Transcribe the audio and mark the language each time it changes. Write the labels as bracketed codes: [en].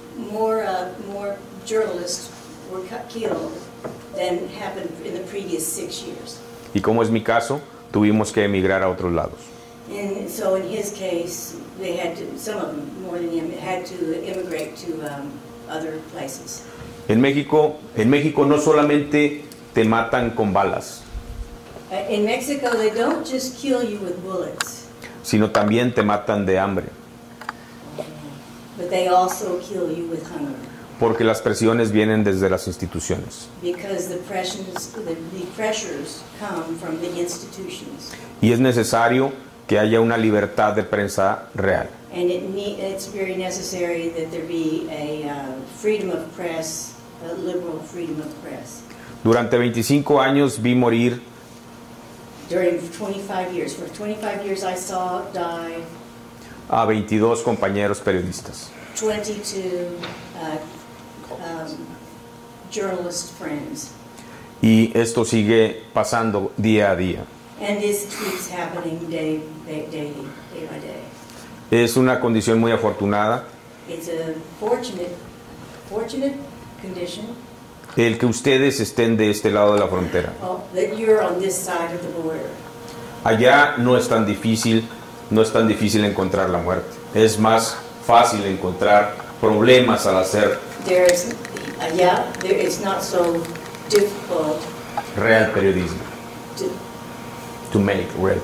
[en] More journalists were killed than happened in the previous 6 years. [es] Y como es mi caso, tuvimos que emigrar a otros lados. [en] And so in his case, they had to, some of them more than him, had to immigrate to other places. [es] En México no solamente te matan con balas. [en] In Mexico, they don't just kill you with bullets. [es] Sino también te matan de hambre. [en] But they also kill you with hunger. [es] Porque las presiones vienen desde las instituciones. [en] Because the pressures come from the institutions. [es] Y es necesario que haya una libertad de prensa real. [en] And it's very necessary that there be a freedom of press, a liberal freedom of press. [es] Durante 25 años vi morir. [en] During 25 years, for 25 years I saw die. [es] A 22 compañeros periodistas. [en] 22 journalist friends. [es] Y esto sigue pasando día a día. [en] And this keeps happening day by day. [es] Es una condición muy afortunada. [en] It's a fortunate condition. [es] El que ustedes estén de este lado de la frontera. [en] Oh, that you're on this side of the border. [es] Allá no es tan difícil encontrar la muerte. Es más fácil encontrar problemas al hacer. [en] It's not so difficult. [es] Real periodismo. [en] To make real